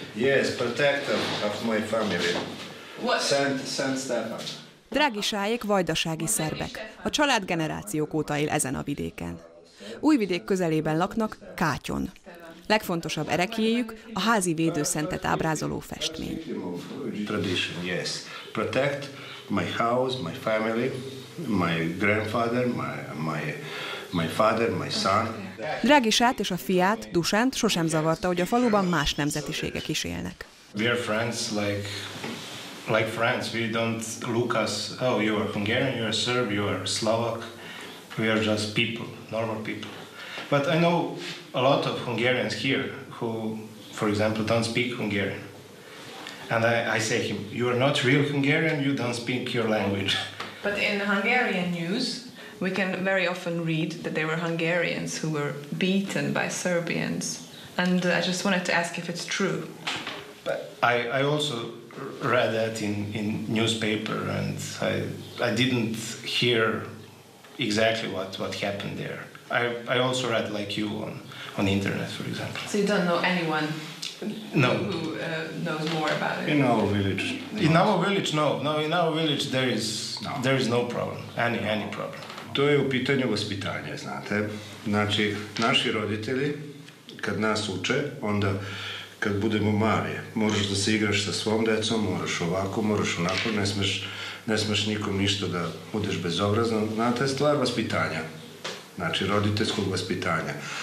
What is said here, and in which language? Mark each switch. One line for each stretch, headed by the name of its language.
English: Yes, protector of my family.
Hungarian: Szent Stefán. Drági Sáék vajdasági szerbek. A család generációk óta él ezen a vidéken. Újvidék közelében laknak, Kátyon. Legfontosabb erekélyük a házi védőszentet ábrázoló festmény.
English: Tradition, yes. Protect my house, my family, my grandfather, my father, my son.
Hungarian: Drágisát és a fiát, Dusánt sosem zavarta, hogy a faluban más nemzetiségek is élnek.
English: We are friends like friends. We don't look as, oh, you are Hungarian, you are Serb, you are Slovak. We are just people, normal people. But I know a lot of Hungarians here who, for example, don't speak Hungarian. And I say to him, you are not real Hungarian, you don't speak your language. But in Hungarian news, we can very often read that there were Hungarians who were beaten by Serbians. And I just wanted to ask if it's true. But I also read that in newspaper, and I didn't hear exactly what happened there. I also read like you on the internet, for example. So you don't know anyone? No. Who knows more about it? In our village. In our village, no. No, in our village there is no problem. Any problem.
Serbian: To je u pitanju vaspitanja, znate. Znači, naši roditelji, kad nas uče, onda kad budemo mali, možeš da se igraš sa svom decom, moraš ovako, moraš onako, ne smeš nikom ništa da budeš bezobrazan. Znate, stvar vaspitanja, znači roditeljskog vaspitanja.